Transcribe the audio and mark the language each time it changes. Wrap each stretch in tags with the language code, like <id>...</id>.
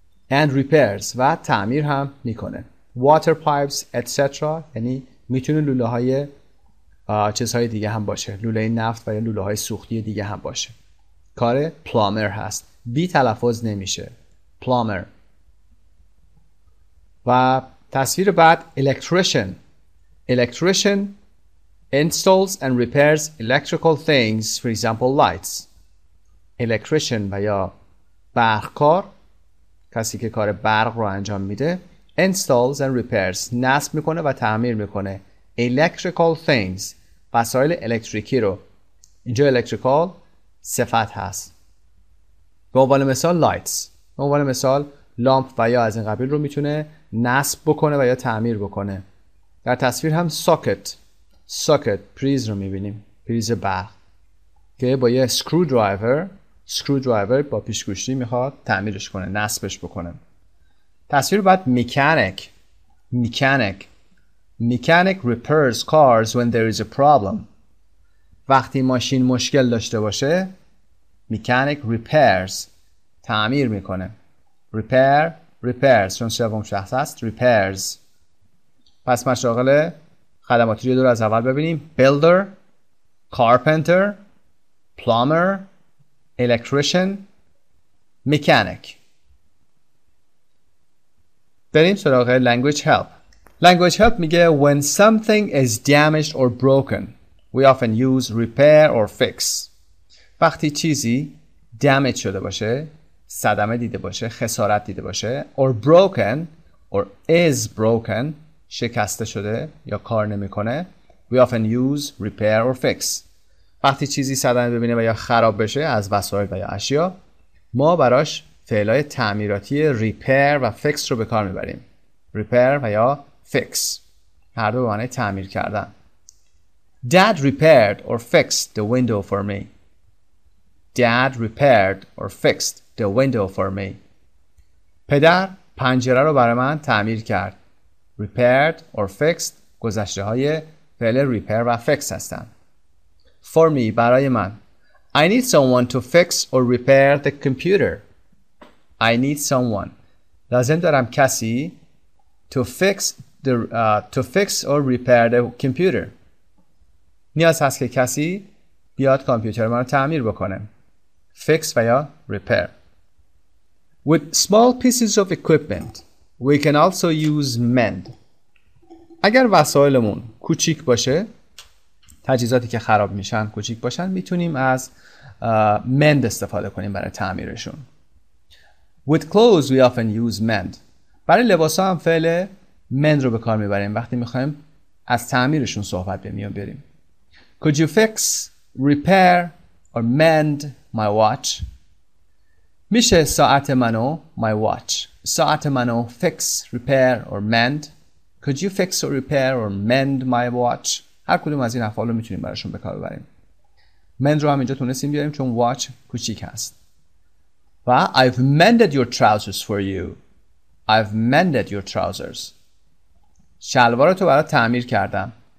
<en>And repairs،</en> <fa>و تعمیر هم میکنه.</fa> <en>Water pipes etc،</en> <fa>یعنی میتونه لوله های چیزهای دیگه هم باشه، لوله نفت و یا لوله های سوختی دیگه هم باشه. کار plumber هست، بی تلفظ نمیشه plumber. و تصویر بعد electrician.</fa> <en>Electrician installs and repairs electrical things, for example lights.</en> <fa>Electrician و یا برقکار، کسی که کار برق رو انجام میده.</fa> <en>Installs and repairs،</en> <fa>نصب میکنه و تعمیر میکنه.</fa> <en>Electrical things،</en> <fa>وسایل الکتریکی رو. اینجا electrical صفت هست. به عنوان مثال lights، به عنوان مثال لامپ و یا از این قبیل رو میتونه نصب بکنه و یا تعمیر بکنه. در تصویر هم socket، socket، پریز رو میبینیم، پریز برق، که با یه screwdriver، screwdriver با پیشگوشتی میخواد تعمیرش کنه، نصبش بکنه. تصویر بعد mechanic. Mechanic.</fa> <en>Mechanic repairs cars when there is a problem.</en> <fa>وقتی ماشین مشکل داشته باشه</fa> <en>mechanic repairs،</en> <fa>تعمیر میکنه. Repair، repairs، چون سوم شخص است، repairs. پس مشاغل خدماتی رو دور از اول ببینیم: builder، carpenter، plumber، electrician، mechanic. بریم سراغ</fa> <en>language help. Language help</en> <fa>میگه</fa> <en>when something is damaged or broken we often use repair or fix.</en> <fa>وقتی چیزی damaged شده باشه، صدمه دیده باشه، خسارت دیده باشه،</fa> <en>or broken or is broken،</en> <fa>شکسته شده یا کار نمیکنه،</fa> <en>we often use repair or fix.</en> <fa>وقتی چیزی صدمه ببینه و یا خراب بشه از وسایل و یا اشیا، ما براش فعلای تعمیراتی repair و fix رو به کار میبریم. Repair و یا fix، هر دو به معنی تعمیر کردن.</fa> <en>Dad repaired or fixed the window for me. Dad repaired or fixed the window for me.</en> <fa>پدر پنجره رو برای من تعمیر کرد.</fa> <en>Repaired or fixed</en> <fa>گذشته های فعل repair و fix هستن.</fa> <en>For me،</en> <fa>برای من.</fa> <en>I need someone to fix or repair the computer. I need someone.</en> <fa>لازم دارم کسی</fa> <en>to fix the to fix or repair the computer.</en> <fa>نیاز هست که کسی بیاد کامپیوتر ما رو تعمیر بکنه. Fix و یا repair.</fa> <en>With small pieces of equipment, we can also use mend.</en> <fa>اگر وسایلمون کوچیک باشه، تجهیزاتی که خراب میشن کوچیک باشن، میتونیم از mend استفاده کنیم برای تعمیرشون.</fa> <en>With clothes we often use mend.</en> <fa>برای لباسا هم فعل mend رو به کار میبریم وقتی میخوایم از تعمیرشون صحبت بریم.</fa> <en>Could you fix, repair or mend my watch?</en> <fa>میشه ساعت منو</fa> <en>my watch.</en> <fa>ساعت منو</fa> <en>fix, repair or mend. Could you fix or repair or mend my watch?</en> <fa>هر کدوم از این افعال رو میتونیم براشون به کار ببریم. Mend رو هم اینجا تونستیم بیاریم چون watch کوچیک هست.</fa> <en>و I've mended your trousers for you. I've mended your trousers.</en> <fa>شلوارتو برات تعمیر کردم.</fa>